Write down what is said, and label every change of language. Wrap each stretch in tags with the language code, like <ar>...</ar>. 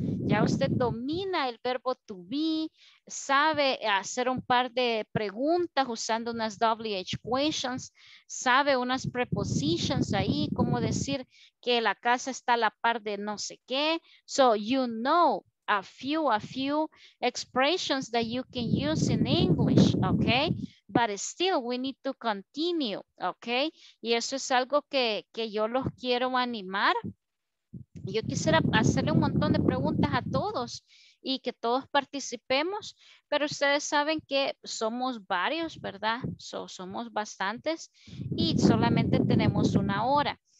<es>Ya usted domina el verbo to be, sabe hacer un par de preguntas usando unas WH questions, sabe unas prepositions ahí, como decir que la casa está a la par de no sé qué.</es> <en>So you know a few expressions that you can use in English, okay? But still, we need to continue, okay?</en> <es>Y eso es algo que yo los quiero animar. Yo quisiera hacerle un montón de preguntas a todos y que todos participemos, pero ustedes saben que somos varios, ¿verdad? Somos bastantes y solamente tenemos una hora.</es>